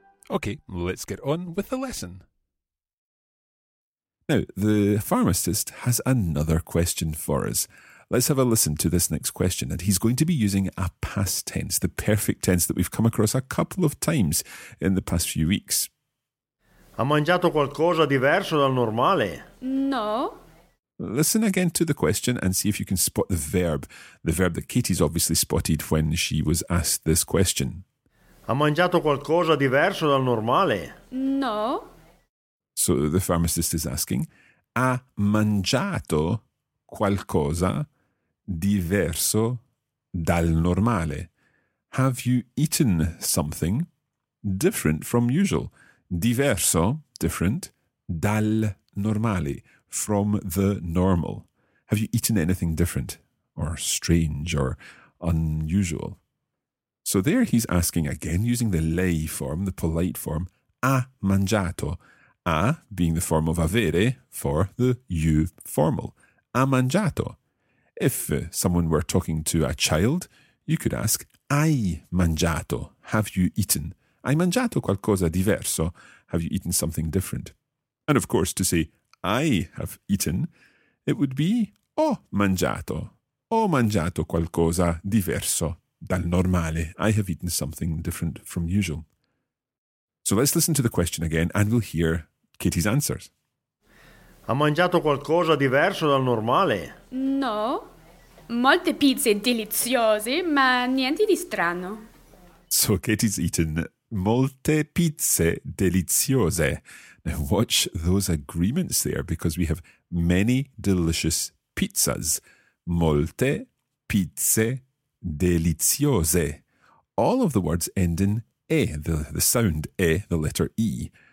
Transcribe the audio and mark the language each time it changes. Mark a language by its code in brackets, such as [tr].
[en] Okay, let's get on with the lesson. Now, the pharmacist has another question for us. Let's have a listen to this next question, and he's going to be using a past tense, the perfect tense that we've come across a couple of times in the past few weeks. [it] Ha mangiato qualcosa diverso dal normale? No. [en] Listen again to the question and see if you can spot the verb that Katie's obviously spotted when she was asked this question. [it] Ha mangiato qualcosa diverso dal normale? No. [en] So the pharmacist is asking, [it] ha mangiato qualcosa diverso dal normale? [en] Have you eaten something different from usual? [it] Diverso, [en] different, [it] dal normale, [en] from the normal. Have you eaten anything different or strange or unusual? So there he's asking again, using the lei form, the polite form, [it] ha mangiato. [en] Ha being the form of avere for the you formal. [it] Ha mangiato. [en] If someone were talking to a child, you could ask, [it] hai mangiato? [en] Have you eaten? [it] Hai mangiato qualcosa diverso? [en] Have you eaten something different? And of course, to say, I have eaten, it would be [it] ho mangiato qualcosa diverso dal normale. [en] I have eaten something different from usual. So let's listen to the question again and we'll hear Katie's answers. [it] Ha mangiato qualcosa diverso dal normale? No, molte pizze deliziose, ma niente di strano. [en] So Katie's eaten [it] molte pizze deliziose. [en] Now watch those agreements there, because we have many delicious pizzas. [it] Molte pizze deliziose. [en] All of the words end in E, the sound E, the letter E.